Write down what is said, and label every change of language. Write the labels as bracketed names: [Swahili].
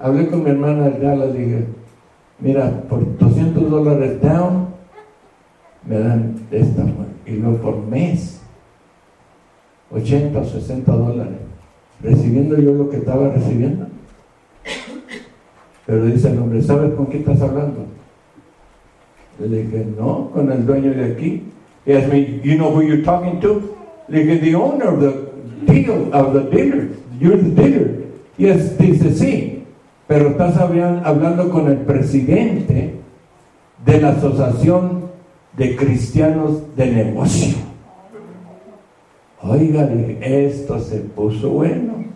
[Spanish] Hablé con mi hermana de Dallas, dije, mira, por $200 down, me dan esta. Y luego por mes, $80 o $60, recibiendo yo lo que estaba recibiendo. Pero dice el hombre, ¿sabes con quién estás hablando? Le dije, no, con el dueño de aquí. [English] He asked me, you know who you're talking to? Like, the owner of the deal, of the dealer. You're the dealer. Yes, [Spanish] dice, sí. Pero estás hablando con el presidente de la Asociación de Cristianos de Negocio. Oiga, esto se puso bueno.